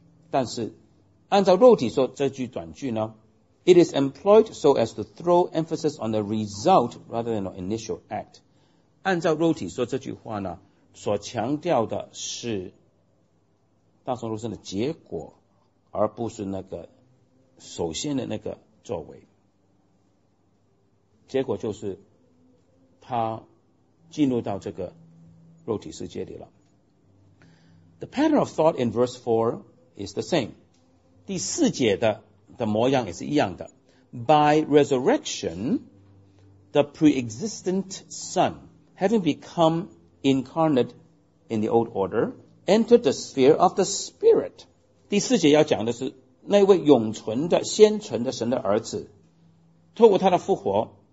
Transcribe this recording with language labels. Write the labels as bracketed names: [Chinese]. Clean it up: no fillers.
[Chinese] 但是按照肉体说这句短句呢 [English] It is employed so as to throw emphasis on the result rather than the initial act， [Chinese] 按照肉体说这句话呢所强调的是道成肉身的结果而不是那个首先的那个作为，结果就是他进入到这个肉体世界里了。 [English] The pattern of thought in verse 4 is the same， [Chinese] 第四节 的模样也是一样的。 [English] By resurrection the pre-existent son having become incarnate in the old order entered the sphere of the spirit， [Chinese] 第四节要讲的是那位永存的先存的神的儿子透过他的复活，